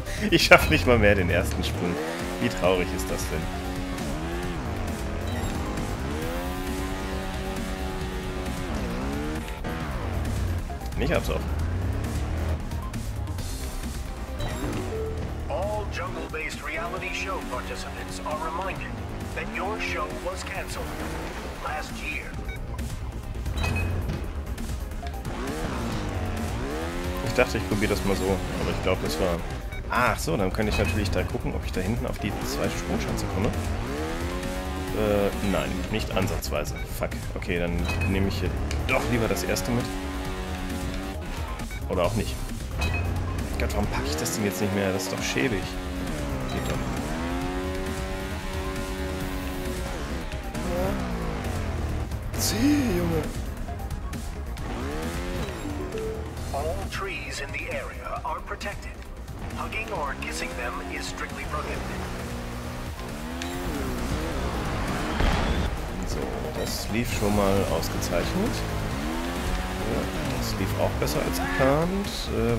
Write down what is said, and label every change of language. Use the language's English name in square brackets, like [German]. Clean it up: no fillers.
[German] Ich schaffe nicht mal mehr den ersten Sprung. Wie traurig ist das denn? Nicht ab so. [English] All jungle-based reality show participants are reminded that your show was canceled last year. [German] Ich dachte, ich probiere das mal so, aber ich glaube, das war. Ach so, dann könnte ich natürlich da gucken, ob ich da hinten auf die 2. Sprungschanze komme. Nein, nicht ansatzweise. Fuck. Okay, dann nehme ich hier doch lieber das erste mit. Oder auch nicht. Gott, warum packe ich das denn jetzt nicht mehr? Das ist doch schäbig. Geht doch. Zieh, Junge. [English] All trees in the area are protected. Hugging or kissing them is strictly prohibited. [German] So, das lief schon mal ausgezeichnet. Ja, das lief auch besser als geplant.